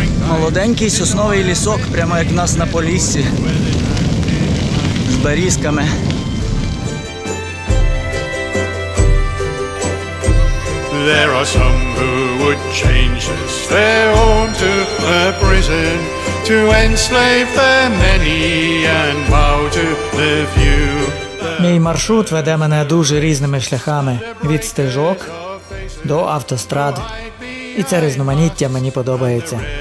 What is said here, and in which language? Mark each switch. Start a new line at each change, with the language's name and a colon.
Ukrainian: Молоденький сосновий лісок, прямо як в нас на Поліссі, з берізками.
English: There are some who would change this fair home to a prison, to enslave the many and bow to the few.
Ukrainian: Мій маршрут веде мене дуже різними шляхами, від стежок до автострад. І це різноманіття мені подобається.